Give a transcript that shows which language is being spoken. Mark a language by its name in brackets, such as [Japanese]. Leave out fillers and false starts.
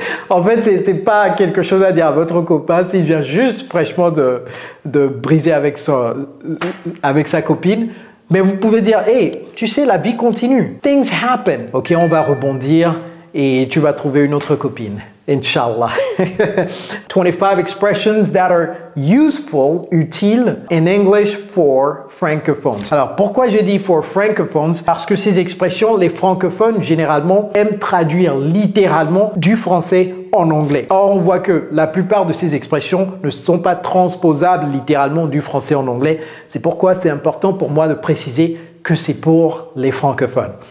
[French] En fait, c'est pas quelque chose à dire à votre copain s'il vient juste fraîchement de briser avec sa copine. Mais vous pouvez dire, hey, tu sais, la vie continue. [English] Things happen. [French] OK, on va rebondir et tu vas trouver une autre copine. [Arabic] Inch'Allah. [English] 25 expressions that are useful, utile in English for francophones. [French] Alors, pourquoi j'ai dit for francophones? Parce que ces expressions, les francophones, généralement, aiment traduire littéralement du français en anglais. Or, on voit que la plupart de ces expressions ne sont pas transposables littéralement du français en anglais. C'est pourquoi c'est important pour moi de préciser que c'est pour les francophones.